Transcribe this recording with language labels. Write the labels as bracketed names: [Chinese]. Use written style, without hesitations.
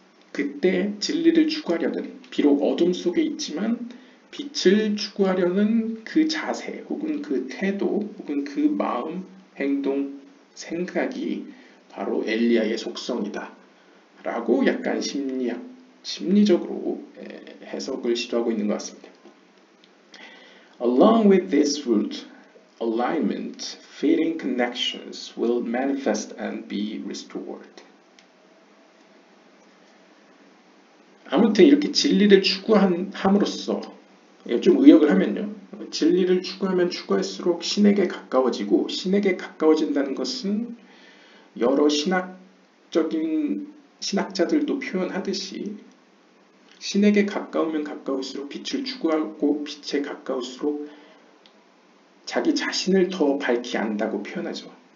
[Korean] 그때 진리를 추구하려는 비록 어둠 속에 있지만 빛을 추구하려는 그 자세 혹은 그 태도 혹은 그 마음, 행동, 생각이 바로 엘리야의 속성이다 라고 약간 심리적으로 해석을 시도하고 있는 것 같습니다. [English] Along with this root, alignment, fitting connections will manifest and be restored. [Korean] 아무튼 이렇게 진리를 추구함으로써 좀 의역을 하면요. 진리를 추구하면 추구할수록 신에게 가까워지고 신에게 가까워진다는 것은 여러 신학자들도 표현하듯이 신에게 가까우면 가까울수록 빛을 추구하고 빛에 가까울수록 자기 자신을 더 밝히 안다고 표현하죠.